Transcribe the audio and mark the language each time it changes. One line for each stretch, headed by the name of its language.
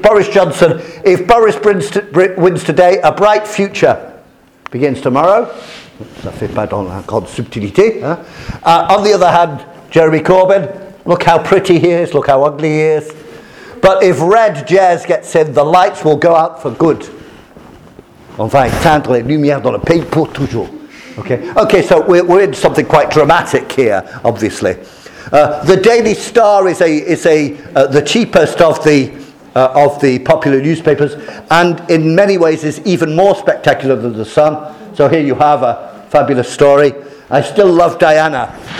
English: Boris Johnson, if Boris wins today, a bright future begins tomorrow.
French: Ça fait pas dans la grande subtilité.
English: On the other hand, Jeremy Corbyn, look how pretty he is, look how ugly he is. But if Red Jazz gets in, the lights will go out for good.
French: On va éteindre les lumières dans le pays pour toujours.
English: Okay, so we're in something quite dramatic here, obviously. The Daily Star is the cheapest of the popular newspapers, and in many ways is even more spectacular than the Sun. So here you have a fabulous story. I still love Diana.